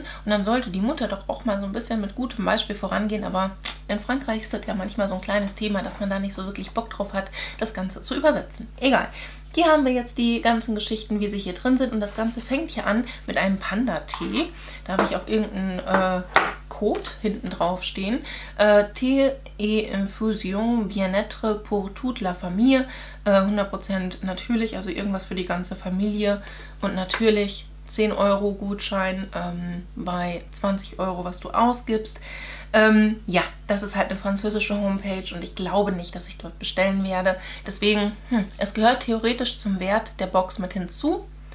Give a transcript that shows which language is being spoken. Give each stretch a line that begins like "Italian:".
German: Und dann sollte die Mutter doch auch mal so ein bisschen mit gutem Beispiel vorangehen, aber in Frankreich ist das ja manchmal so ein kleines Thema, dass man da nicht so wirklich Bock drauf hat, das Ganze zu übersetzen. Egal. Hier haben wir jetzt die ganzen Geschichten, wie sie hier drin sind. Und das Ganze fängt hier an mit einem Panda-Tee. Da habe ich auch irgendeinen Code hinten drauf stehen.
French: Tee et infusion bien-être pour toute la famille.
German: 100% natürlich, also irgendwas für die ganze Familie. Und natürlich 10 Euro Gutschein bei 20 Euro, was du ausgibst. Ja, das ist halt eine französische Homepage und ich glaube nicht, dass ich dort bestellen werde. Deswegen, es gehört theoretisch zum Wert der Box mit hinzu.